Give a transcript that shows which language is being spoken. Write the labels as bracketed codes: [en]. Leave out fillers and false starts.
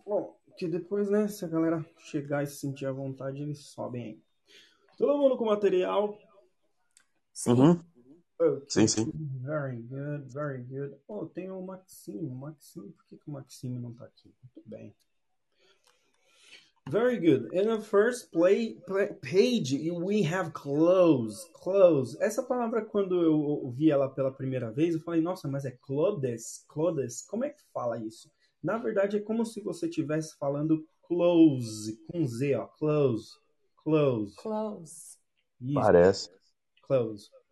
[pt] Bom, que depois, né, se a galera chegar e se sentir à vontade, eles sobem aí. Todo mundo com material? Sim. Sim. Sim, Ok. sim. [en] Very good, very good. Oh, [pt] tem o Maxime. Maxime, por que que o Maxime não tá aqui? Muito bem. [en] Very good. In the first page, we have clothes. Clothes. [pt] Essa palavra, quando eu vi ela pela primeira vez, eu falei, nossa, mas é clothes? Clothes? Como é que fala isso? Na verdade, é como se você estivesse falando close, com Z, ó. [en] Close. Close. Close. [pt] Isso. Parece. [en] Close.